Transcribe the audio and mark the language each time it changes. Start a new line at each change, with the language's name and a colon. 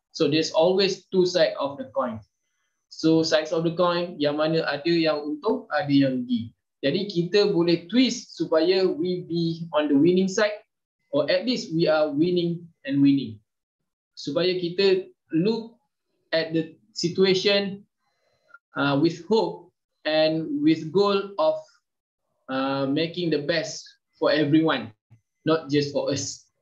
English: So there's always two sides of the coin. So sides of the coin,
Malay: yang mana ada yang untung, ada yang rugi. Jadi kita boleh twist supaya
English: we be on the winning side, or at least we are winning and winning.
Malay: Supaya kita
English: look at the situation with hope and with goal of making the best for everyone, not just for us.